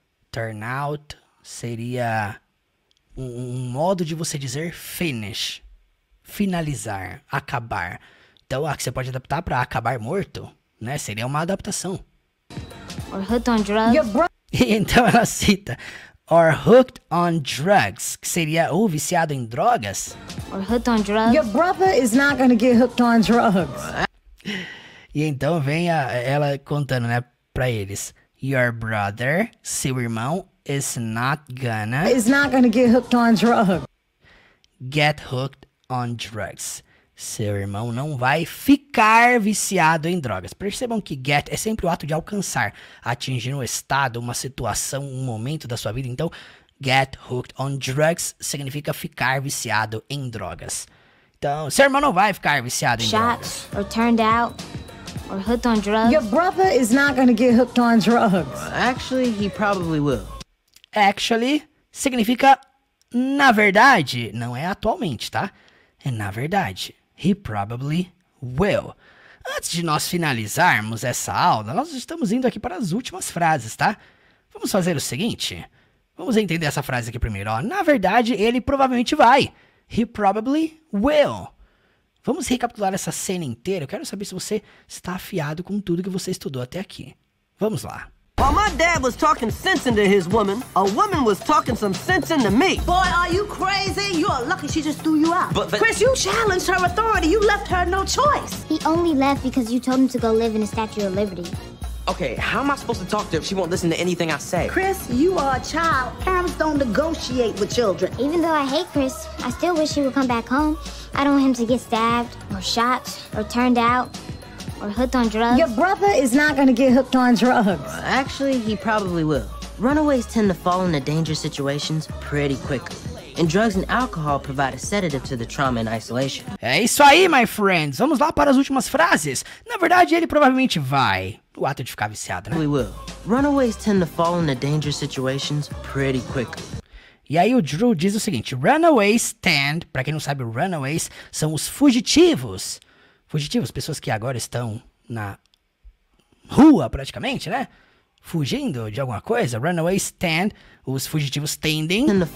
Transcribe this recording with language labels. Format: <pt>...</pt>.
<en>Turn out</en> <pt>seria um modo de você dizer finish. Finalizar, acabar. Então, ó, que você pode adaptar para acabar morto, né? Seria uma adaptação.</pt> <en>Or hooked on drugs.</en> <pt>Então ela cita,</pt> <en>or hooked on drugs,</en> <pt>que seria ou viciado em drogas.</pt> <en>Or hooked on drugs. Your brother is not gonna get hooked on drugs.</en> <pt>E então vem ela contando, né, pra eles.</pt> <en>Your brother,</en> <pt>seu irmão,</pt> <en>is not gonna get hooked on drugs. Get hooked on drugs.</en> <pt>Seu irmão não vai ficar viciado em drogas. Percebam que get é sempre o ato de alcançar, atingir um estado, uma situação, um momento da sua vida. Então,</pt> <en>get hooked on drugs</en> <pt>significa ficar viciado em drogas. Então, seu irmão não vai ficar viciado em drogas.</pt> <en>Shot or turned out or hooked on drugs. Your brother is not gonna get hooked on drugs. Actually, he probably will.</en> <pt>Actually significa na verdade, não é atualmente, tá? É na verdade,</pt> <en>he probably will.</en> <pt>Antes de nós finalizarmos essa aula, nós estamos indo aqui para as últimas frases, tá? Vamos fazer o seguinte, vamos entender essa frase aqui primeiro. Ó. Na verdade, ele provavelmente vai.</pt> <en>He probably will.</en> <pt>Vamos recapitular essa cena inteira. Eu quero saber se você está afiado com tudo que você estudou até aqui. Vamos lá.</pt> <en>While my dad was talking sense into his woman, a woman was talking some sense into me. Boy, are you crazy? You are lucky she just threw you out. But Chris, you challenged her authority. You left her no choice. He only left because you told him to go live in a Statue of Liberty. Okay, how am I supposed to talk to her if she won't listen to anything I say? Chris, you are a child. Parents don't negotiate with children. Even though I hate Chris, I still wish he would come back home. I don't want him to get stabbed or shot or turned out. Or hooked on drugs. Your brother is not gonna get hooked on drugs. Actually, he probably will. Runaways tend to fall into dangerous situations pretty quickly. And drugs and alcohol provide a sedative to the trauma and isolation.</en> <pt>É isso aí,</pt> <en>my friends.</en> <pt>Vamos lá para as últimas frases. Na verdade, ele provavelmente vai. O ato de ficar viciado, né?</pt> <en>We will. Runaways tend to fall into dangerous situations pretty quickly.</en> <pt>E aí o Drew diz o seguinte.</pt> <en>Runaways tend...</en> <pt>Pra quem não sabe, runaways são os fugitivos. Fugitivos, pessoas que agora estão na rua, praticamente, né? Fugindo de alguma coisa.</pt> <en>Runaways tend,</en> <pt>os fugitivos tendem...</pt>